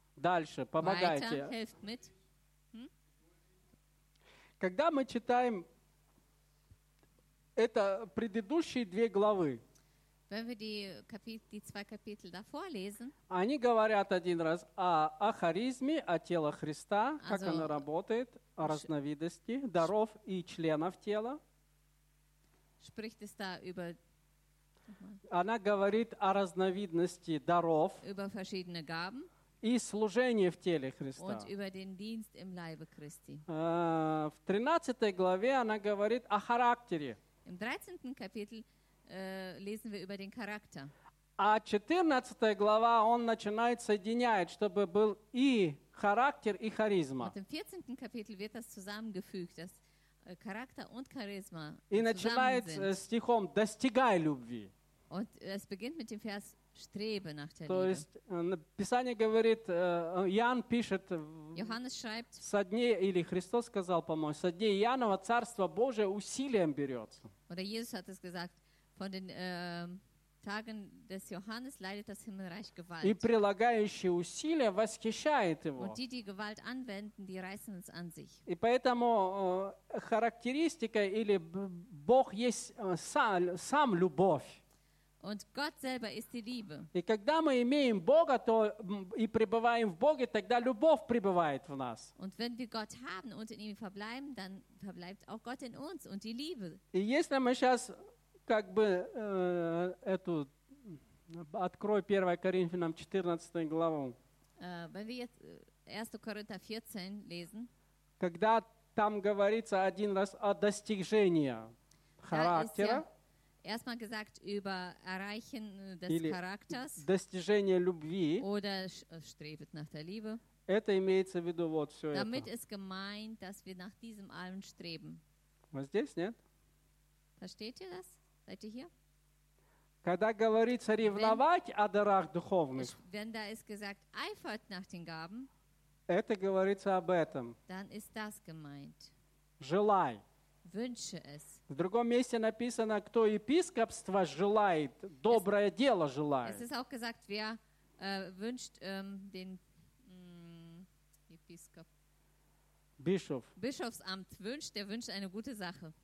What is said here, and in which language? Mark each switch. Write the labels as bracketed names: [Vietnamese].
[Russian] Дальше, помогайте. [German] Weiter, helft mit. [Russian] Когда мы читаем это предыдущие две главы, [German] wenn wir die zwei Kapitel davor lesen, [Russian] они говорят один раз о харизме, о теле Христа, also, как оно работает, о разновидности, даров и членов тела. [German] Spricht es da über, [Russian] она говорит о разновидности даров, [German] über verschiedene Gaben, [Russian] и служение в теле Христа. [German] Und über den Dienst im Leibe Christi. [Russian] В 13 главе она говорит о характере. [German] Im 13. Kapitel lesen wir über den Charakter. [Russian] А 14 глава он начинает соединяет, чтобы был и характер, и харизма. [German] Und im 14. Kapitel wird das zusammengefügt, dass Charakter und Charisma [Russian] и начинает [German] zusammen sind. [Russian] Стихом «Достигай любви». [German] Und es beginnt mit dem Vers Strebe nach der [Russian] То [German] Liebe. [Russian] Есть, Писание говорит, Иоанн пишет, [German] Johannes schreibt, [Russian] со дней, или Христос сказал, по-моему, со дней Иоанна Царство Божие усилием берется. [German] Oder Jesus hat es gesagt, von den Tagen des Johannes leidet das Himmelreich Gewalt. [Russian] И прилагающие усилия восхищает его. [German] Und die, die Gewalt anwenden, die reißen es an sich. [Russian] И поэтому характеристика или Бог есть сам любовь. [German] Und Gott selber ist die Liebe. [Russian] И когда мы имеем Бога, то и пребываем в Боге, тогда любовь пребывает в нас. [German] Und wenn wir Gott haben und in ihm verbleiben, dann verbleibt auch Gott in uns und die Liebe. [Russian] И если мы сейчас как бы эту открой 1 Коринфянам 14 главу. [German] Wenn wir jetzt 1. Korinther 14 lesen. [Russian] Когда там говорится один раз о достижении характера. [German] Erstmal gesagt über Erreichen des или Charakters [Russian] достижение любви, [German] oder strebt nach der Liebe. [Russian] Это имеется в виду вот все [German] damit [Russian] это. [German] Damit ist gemeint, dass wir nach diesem allem streben. [Russian] Вот здесь, нет? [German] Versteht ihr das? Seid ihr hier? [Russian] Когда говорится ревновать о дарах духовных, [German] wenn da ist gesagt, eifert nach den Gaben, [Russian] это говорится об этом. [German] Dann ist das gemeint. [Russian] Желай. [German] Wünsche es. [Russian] В другом месте написано, кто епископство желает, доброе дело желает. [German] Es ist auch gesagt, wer wünscht den Episkop. Bischof. Bischofsamt wünscht, der wünscht eine gute Sache.